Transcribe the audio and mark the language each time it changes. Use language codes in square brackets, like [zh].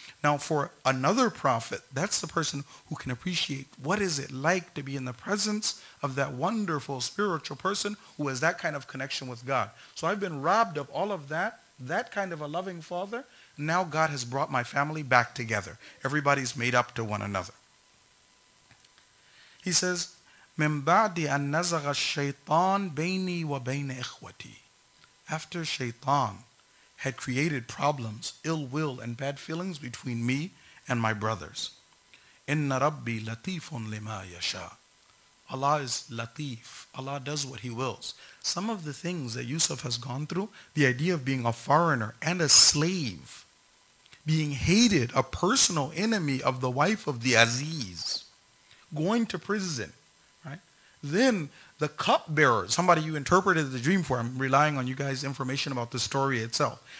[en] Now for another prophet, that's the person who can appreciate what is it like to be in the presence of that wonderful spiritual person who has that kind of connection with God. So I've been robbed of all of that, that kind of a loving father. Now God has brought my family back together. Everybody's made up to one another. He says, [ar] مِن بَعْدِ أَن نَزَغَ الشَّيْطَانِ بَيْنِي وَبَيْنِ إِخْوَتِي. [en] After Shaytan had created problems, ill will and bad feelings between me and my brothers. [ar] إِنَّ رَبِّي لَطِيفٌ لِمَا يَشَاء. [en] Allah is latif. Allah does what he wills. Some of the things that Yusuf has gone through, the idea of being a foreigner and a slave, being hated, a personal enemy of the wife of the Aziz, going to prison, then the cupbearer, somebody you interpreted the dream for, I'm relying on you guys' information about the story itself.